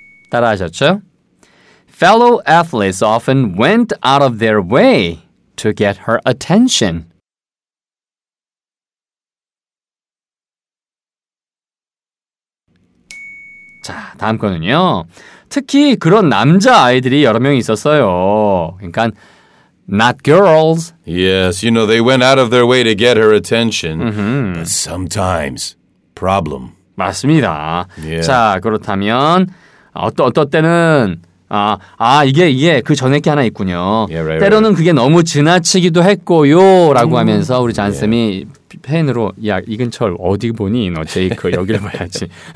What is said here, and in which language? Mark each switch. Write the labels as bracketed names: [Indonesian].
[Korean] 따라하셨죠? [English] Fellow athletes often went out of their way to get her attention. [Korean] 자, 다음 거는요. 특히 그런 남자 아이들이 여러 명 있었어요. 그러니까 [English] not girls. Yes, you know, they went out of their way to get her attention. Mm-hmm. But sometimes, problem. [Korean] 맞습니다. [English] Yeah. [Korean] 자, 그렇다면 어떤 때는 이게 그 전에 게 하나 있군요. [English] Yeah, right, [Korean] 때로는 [English] right. [Korean] 그게 너무 지나치기도 했고요. 라고 하면서 우리 잔쌤이 yeah. 펜으로 야, 이근철 어디 보니? 너 제이크 여기를 봐야지.